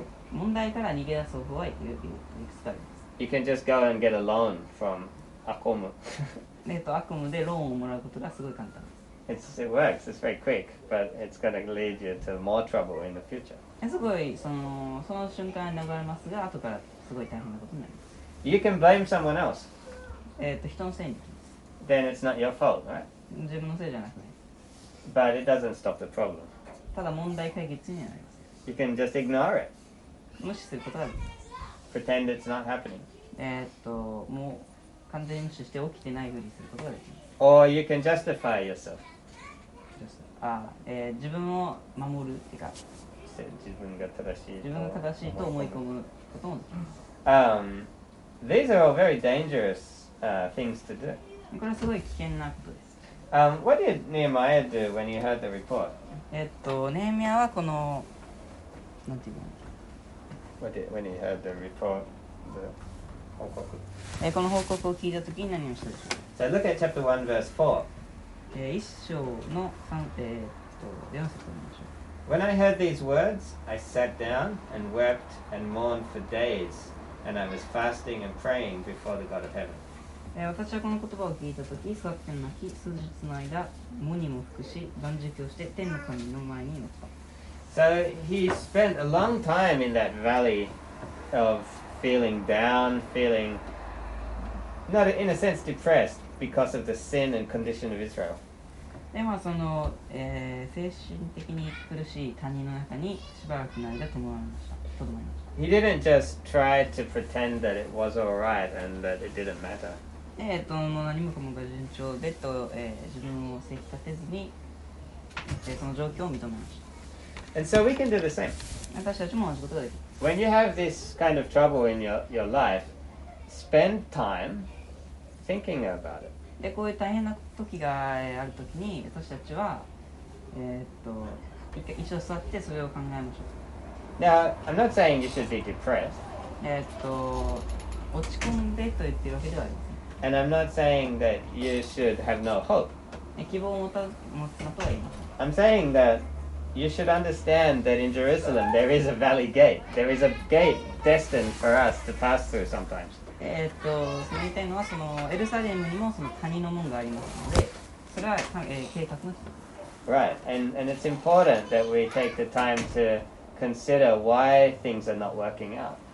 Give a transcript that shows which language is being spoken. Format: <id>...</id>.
<ja>問題から逃げ出す方法はいくつかあります。</ja> <en>You can just go and get a loan from Akomu.</en> <ja>Akomu でローンをもらうことがすごい簡単です。</ja> <en>It works, it's very quick, but it's going to lead you to more trouble in the future.</en> <ja>すごい、その瞬間に流れますが、後からすごい大変なことになります。</ja> <en>You can blame someone else.</en> <ja>人のせいにします。</ja> <en>Then it's not your fault, right?</en> <ja>自分のせいじゃなくない。</ja> <en>But it doesn't stop the problem.</en> <ja>ただ問題解決にはなります。</ja> <en>You can just ignore it.</en> <ja>無視することができます。</ja> <en>Pretend it's not happening.</en> <ja>もう完全に無視して起きてないふりすることができます。</ja> <en>Or you can justify yourself.</en> <ja>Justify. 自分を守るってか。自分が正しい。自分が正しいと思い込むこともできます。</ja> <en>These are all very dangerous, things to do.</en> <ja>これはすごい危険なことです。</ja> <en>What did Nehemiah do when he heard the report?</en> <ja>ネヘミヤはこの、なんていうの？</ja> <en>When he heard the report, the 報告。</en> <ja>この報告を聞いたときに何をしたでしょう</ja> <en>か。So look at chapter 1 verse 4.</en> <ja>一章の三四節を見ましょう。</ja> <en>When I heard these words, I sat down and wept and mourned for days, and I was fasting and praying before the God of heaven.</en> <ja>私はこの言葉を聞いたとき、昨夜の泣き、数日の間、無にも服し、断食をして天の神の前に祈った。</ja> <en>So he spent a long time in that valley of feeling down, feeling not in a sense depressed because of the sin and condition of Israel.</en> <ja>でまあその、精神的に苦しい谷の中にしばらくの間とどまりました。</ja> <en>He didn't just try to pretend that it was all right and that it didn't matter.</en> <ja>何もかもが順調でと、自分を責め立てずに、その状況を認めました。</ja> <en>And so we can do the same.</en> <ja>私たちも同じことができる。</ja> <en>When you have this kind of trouble in your life, spend time thinking about it.</en> <ja>で、こういう大変な時があるときに、私たちは、一度座ってそれを考えましょう。</ja> <en>Now, I'm not saying you should be depressed.</en> <ja>落ち込んでと言ってるわけではありません。</ja> <en>And I'm not saying that you should have no hope.</en> <ja>希望を持つなとは言いません。</ja> <en>I'm saying that You should understand that in Jerusalem there is a valley gate. There is a gate destined for us to pass through sometimes. Right, and it's important that we take the time to consider why things are not working out.</en>